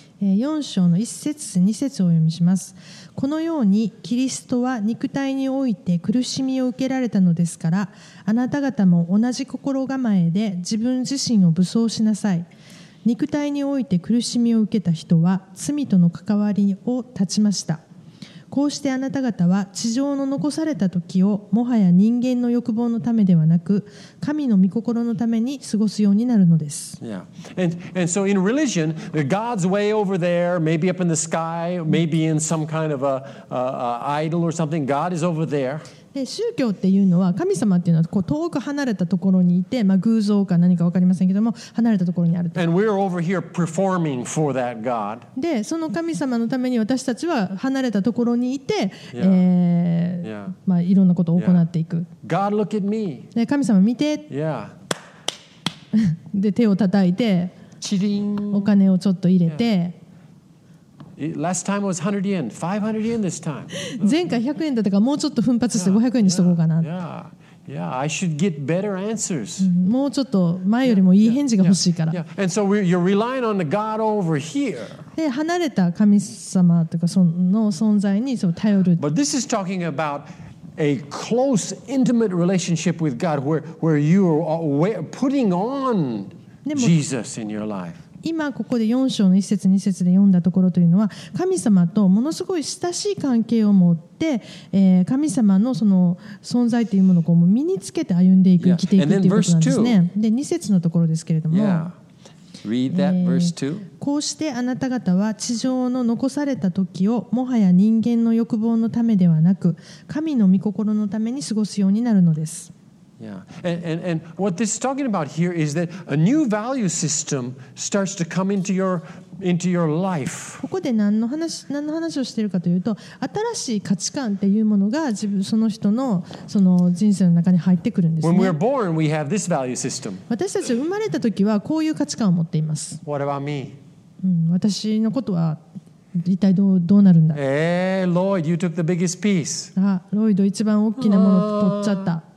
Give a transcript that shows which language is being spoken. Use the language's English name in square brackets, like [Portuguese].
[Japanese] 4章の1節2節を読みします。このようにキリストは肉体において苦しみを受けられたのですから、あなた方も同じ心構えで自分自身を武装しなさい。肉体において苦しみを受けた人は罪との関わりを断ちました。こうしてあなた方は地上の残された時をもはや人間の欲望のためではなく神の御心のために過ごすようになるのです。 [English] Yeah. And so in religion, God's way over there, maybe up in the sky, maybe in some kind of a idol or something, God is over there. [Japanese] で宗教っていうのは神様っていうのはこう遠く離れたところにいて、まあ、偶像か何か分かりませんけども離れたところにあると。 [English] And we're over here performing for that God. [Japanese] でその神様のために私たちは離れたところにいて、 [English] yeah. yeah. [Japanese] まあ、いろんなことを行っていく、 [English] yeah. God, look at me. [Japanese] で神様見て、 [English] yeah. [Japanese] で手を叩いてチリンお金をちょっと入れて、yeah. [English] Last time was 100 yen. 500 yen this time. [Japanese] 前回100円だったからもうちょっと奮発して500円にしとこうかな。 [English] I should get better answers. [Japanese] もうちょっと前よりもいい返事が欲しいから。 [English] And so you're relying on the God over here. [Japanese] で離れた神様とかその存在にそう頼る。 [English] But this is talking aboutA close, intimate relationship with God, where you are putting on Jesus in your life. [Japanese] 今ここで4章の1節2節で読んだところというのは神様とものすごい親しい関係を持って、神様のその存在というものをこう身につけて歩んでいく、yeah. 生きていくということなんですね。で2節のところですけれども、 [English] yeah. Read that verse too. [Japanese] こうしてあなた方は地上の残された時をもはや人間の欲望のためではなく神の御心のために過ごすようになるのです。 [English] Yeah. And what this is talking about here is that a new value system starts to come into your life. [Japanese] ここで何の話をしているかというと、新しい価値観っていうものが自分その人のその人生の中に入ってくるんですね。 [English] When we're born, we have this value system. [Japanese] 私たち生まれた時はこういう価値観を持っています。 [English] What about me? [Japanese] 私のことは一体どうなるんだ。 [English] Lloyd, you took the biggest piece. [Japanese] あ、ロイド一番大きなものを取っちゃった。